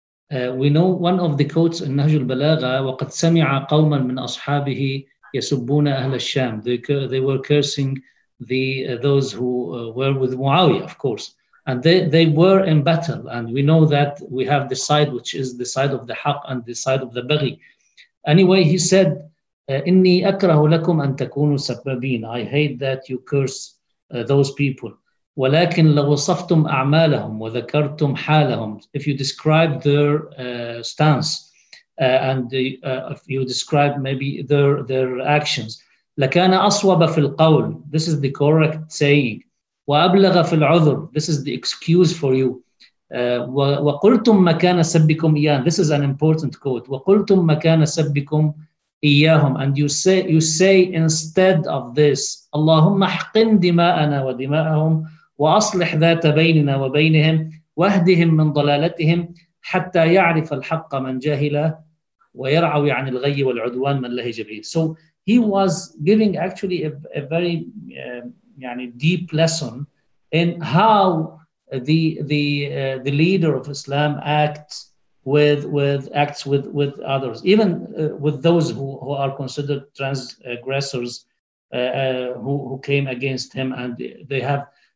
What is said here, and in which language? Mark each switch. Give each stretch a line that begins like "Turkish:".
English: We know one of the quotes in Nahj al-Balagha,
Arabic: وَقَدْ سَمِعَ قَوْمًا مِنْ أَصْحَابِهِ يَسُبُّونَ أَهْلَ الشَّامِ.
English: They were cursing those who were with Muawiyah, of course. And they were in battle. And we know that we have the side, which is the side of the Haqq and the side of the Baghi. Anyway, he said,
Arabic: إني أكره لكم أن تكونوا سبابين.
English: I hate that you curse those people.
Arabic: ولكن لو صفتم أعمالهم وذكرتم حالهم.
English: If you describe their stance if you describe maybe their actions.
Arabic: لكان أصوب في القول.
English: This is the correct saying.
Arabic: وأبلغ في العذر.
English: This is the excuse for you.
Arabic: وقلتم مكان سبكم إيان.
English: This is an important quote.
Arabic: وقلتم مكان سبكم إياهم.
English: And you say instead of this,
Arabic: اللهم احقن دماءنا ودماءهم وأصلح ذات بيننا وبينهم واهدهم من ضلالتهم حتى يعرف الحق من جاهلا ويرعوي عن الغي والعدوان من لهج به.
English: So he was giving actually a very deep lesson in how the leader of Islam acts with others, even with those who are considered transgressors who came against him, and they have